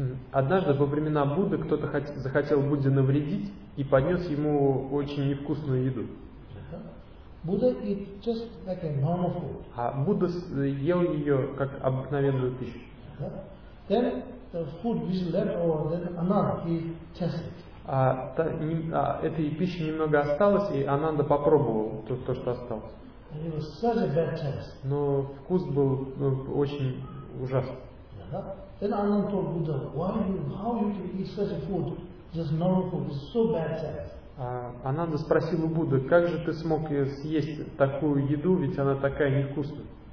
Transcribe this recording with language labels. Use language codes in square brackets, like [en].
[ru] Однажды во времена Будды кто-то захотел Будде навредить и поднес ему очень невкусную еду. [en] Buddha eat just like a normal food. [ru] А Будда ел ее как обыкновенную пищу. [en] Then the food which left over, then Ananda he tested. [ru] Этой пищи немного осталось, и Ананда попробовал то, что осталось. [en] And it was such a bad taste. [ru] Но вкус был очень ужасный. [en] Then Ananda told Buddha, why you, how you can eat such a food, just normal food, it's so bad taste. [ru] Ананда спросил у Будды, как же ты смог съесть такую еду, ведь она такая невкусная.